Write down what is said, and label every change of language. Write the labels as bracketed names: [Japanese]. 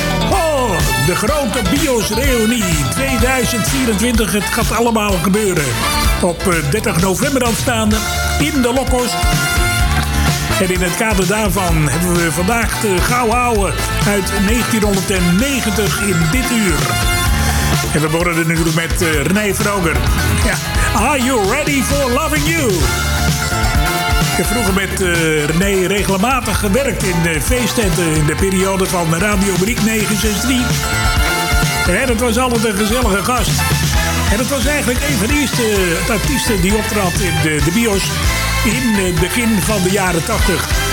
[Dutch] Oh, de grote Bios Reunie 2024, het gaat allemaal gebeuren. Op 30 november aanstaande in de Lokkos. En in het kader daarvan hebben we vandaag de Gouden Ouwe uit 1990 in dit uur. En we worden er nu met René Vroger. Ja. [English] Are you ready for loving you? [Dutch] Ik heb vroeger met René regelmatig gewerkt in de feesttenten in de periode van Radio Brik 963. En het was altijd een gezellige gast. En het was eigenlijk een van de eerste artiesten die optrad in de Bios in het begin van de jaren 80.